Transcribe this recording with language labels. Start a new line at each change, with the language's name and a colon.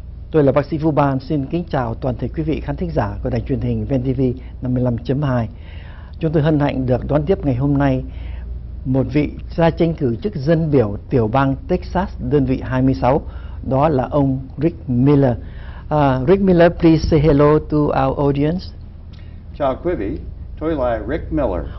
Vietnamese: Tôi là bác sĩ Vũ Ban, xin kính chào toàn thể quý vị khán thính giả của đài truyền hình VTV 55.2. Chúng tôi hân hạnh được đón tiếp ngày hôm nay một vị ra tranh cử chức dân biểu tiểu bang Texas đơn vị 26, đó là ông Rick Miller.
English: Rick Miller, please say hello to our audience.
Vietnamese: Chào quý vị, tôi là Rick Miller.